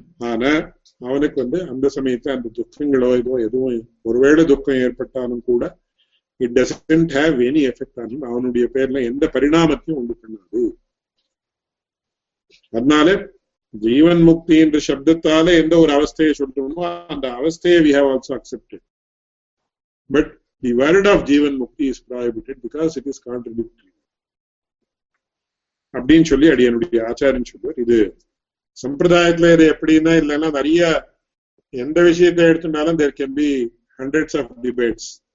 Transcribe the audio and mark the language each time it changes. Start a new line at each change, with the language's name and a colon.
Tamil: ஆனா அவனுக்கு வந்து அந்த சமயத்தை அந்த துக்கங்களோ இதோ எதுவும், ஒருவேளை துக்கம் ஏற்பட்டாலும் கூட it doesn't have any effect on him. அவனுடைய பேர்ல எந்த பரிணாமத்தையும் உண்டு பண்ணாது. அதனால ஜீவன் முக்தி என்ற சப்தத்தால எந்த ஒரு அவஸ்தையை சொல்றோமோ அந்த அவஸ்தையை we have also accepted. But
English: the word of Jeevan Mukti is prohibited because it is contradictory.
Tamil: அப்படின்னு சொல்லி அடியனுடைய ஆச்சாரம் சொல்லுவார். இது சம்பிரதாயத்துல இது எப்படின்னா இல்லைன்னா நிறைய எந்த விஷயத்தை எடுத்துட்டாலும் there can be hundreds of debates.